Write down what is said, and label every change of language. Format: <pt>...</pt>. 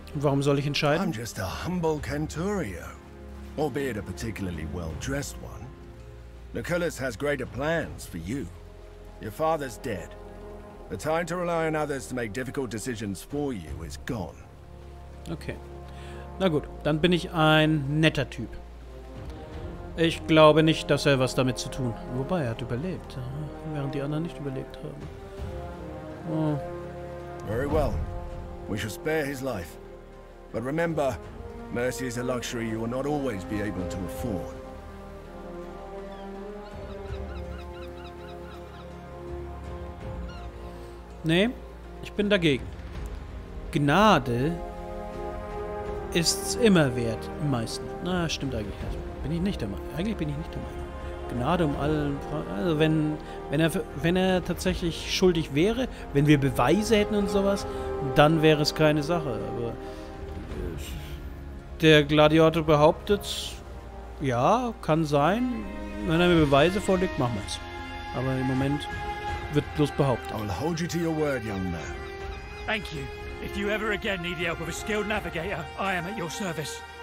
<de>Warum soll ich entscheiden?</de> <en>I'm just a humble centurio, albeit a particularly well-dressed one. Lucullus has greater plans for you. Your father's dead. The time to rely on others to make difficult decisions for you is gone. Okay.</en> <de>Na gut, dann bin ich ein netter Typ. Ich glaube nicht, dass er was damit zu tun hat. Wobei, er hat überlebt, während die anderen nicht überlebt haben.</de> <en>Oh. Very well. We shall spare his life. But remember, mercy is a luxury you will not always be able to afford.</en> <de>Nee, ich bin dagegen. Gnade ist's immer wert, im meisten. Na, stimmt eigentlich nicht. Bin ich nicht der Meinung. Eigentlich bin ich nicht der Meinung. Gnade um allen. Also wenn er tatsächlich schuldig wäre, wenn wir Beweise hätten und sowas, dann wäre es keine Sache. Aber der Gladiator behauptet, ja, kann sein. Wenn er mir Beweise vorlegt, machen wir es. Aber im Moment wird bloß behauptet.</de> <en>I'll hold you to your word, young man. Thank you. If you ever again need the help of a skilled navigator, I am at your service.</en>